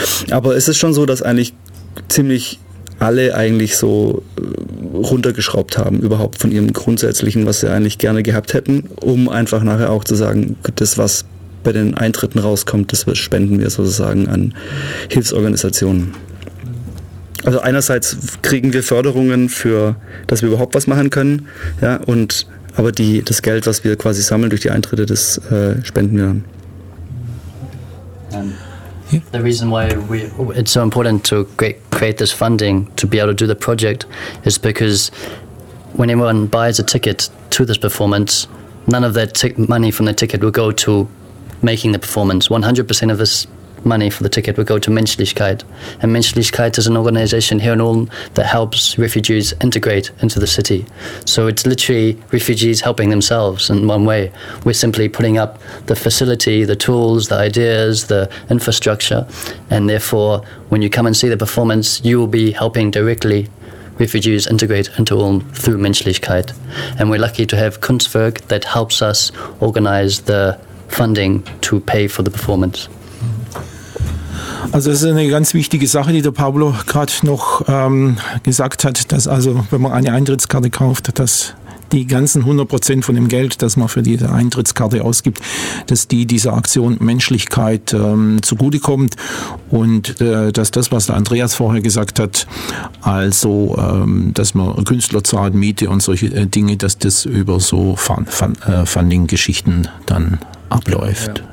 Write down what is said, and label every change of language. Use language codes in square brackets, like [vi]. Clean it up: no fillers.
[de] Aber es ist schon so, dass eigentlich ziemlich alle eigentlich so runtergeschraubt haben, überhaupt von ihrem Grundsätzlichen, was sie eigentlich gerne gehabt hätten, um einfach nachher auch zu sagen, das, was bei den Eintritten rauskommt, das spenden wir sozusagen an Hilfsorganisationen. Also einerseits kriegen wir Förderungen, für dass wir überhaupt was machen können, ja, und aber das Geld, was wir quasi sammeln durch die Eintritte, das spenden wir dann. [en] The reason why it's so important to create this funding to be able to do the project is because when anyone buys a ticket to this performance, none of that money from the ticket will go to making the performance. 100% of this money for the ticket will go to Menschlichkeit. And Menschlichkeit is an organization here in Ulm that helps refugees integrate into the city. So it's literally refugees helping themselves in one way. We're simply putting up the facility, the tools, the ideas, the infrastructure, and therefore when you come and see the performance, you will be helping directly refugees integrate into Ulm through Menschlichkeit. And we're lucky to have Kunstwerk that helps us organize the funding to pay for the performance. [de] Also das ist eine ganz wichtige Sache, die der Pablo gerade noch gesagt hat, dass also, wenn man eine Eintrittskarte kauft, dass die ganzen 100% von dem Geld, das man für diese Eintrittskarte ausgibt, dass die dieser Aktion Menschlichkeit zugutekommt und dass das, was der Andreas vorher gesagt hat, also dass man Künstler zahlt, Miete und solche Dinge, dass das über so Funding-Geschichten dann abläuft.